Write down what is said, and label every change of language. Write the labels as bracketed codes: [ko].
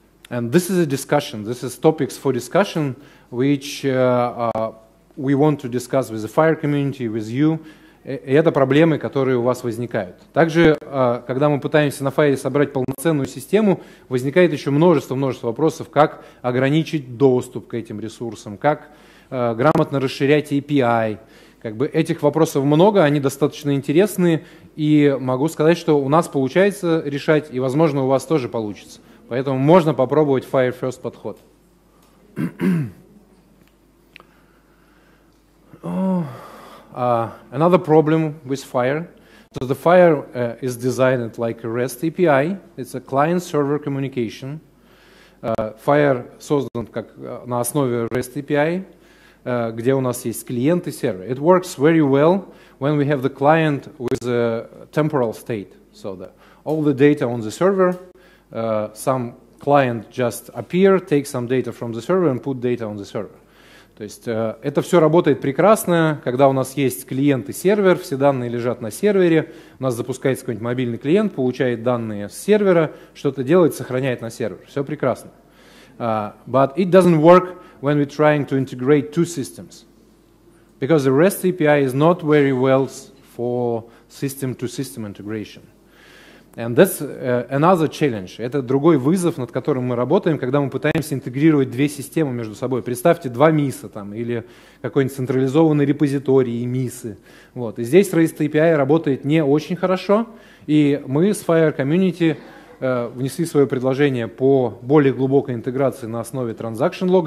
[en] And this is a discussion, this is topics for discussion, which we want to discuss with the FHIR community, with you. [ru] И это проблемы, которые у вас возникают. Также, когда мы пытаемся на FHIR собрать полноценную систему, возникает еще множество вопросов, как ограничить доступ к этим ресурсам, как грамотно расширять API. Как бы этих вопросов много, они достаточно интересные, и могу сказать, что у нас получается решать, и, возможно, у вас тоже получится. Поэтому можно попробовать FHIR First подход. [en] Another problem with FHIR. So the FHIR is designed like a REST API. It's a client-server communication. [ru] FHIR создан как на основе REST API, где у нас есть клиент и сервер. [en] It works very well when we have the client with a temporal state. So the, all the data on the server, some client just appear, take some data from the server and put data on the server. [ru] То есть это все работает прекрасно, когда у нас есть клиент и сервер, все данные лежат на сервере, у нас запускается какой-нибудь мобильный клиент, получает данные с сервера, что-то делает, сохраняет на сервер. Все прекрасно. [en] But it doesn't work when we're trying to integrate two systems. Because the REST API is not very well for system-to-system integration. And that's another challenge. [ru] Это другой вызов, над которым мы работаем, когда мы пытаемся интегрировать две системы между собой. Представьте, два МИСа там, или какой-нибудь централизованный репозиторий и МИСы. Вот. И здесь REST API работает не очень хорошо, и мы с FHIR Community внесли свое предложение по более глубокой интеграции на основе transaction log.